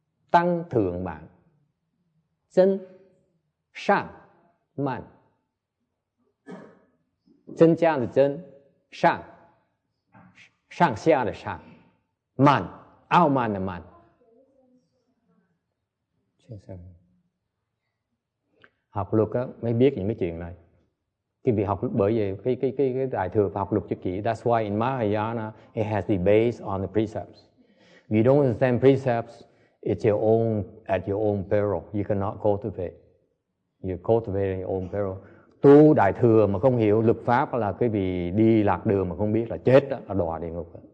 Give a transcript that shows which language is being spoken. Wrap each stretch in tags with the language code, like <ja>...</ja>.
<vi>Tăng thượng bạn, chân sang mạn, chân cha là chân sang, sang xia là sang, mạn ao mạn là mạn. Học luật á mới biết những cái chuyện này. Cái việc học bởi vì cái đại thừa học luật cho kỹ.</vi> <en>That's why in Mahayana it has to be based on the precepts. If you don't understand precepts, it's your own, at your own peril. You cannot cultivate. You're cultivating your own peril.</en> <vi>tu đại thừa mà không hiểu luật pháp là quý vị đi lạc đường mà không biết là chết đó, là đọa địa ngục.</vi>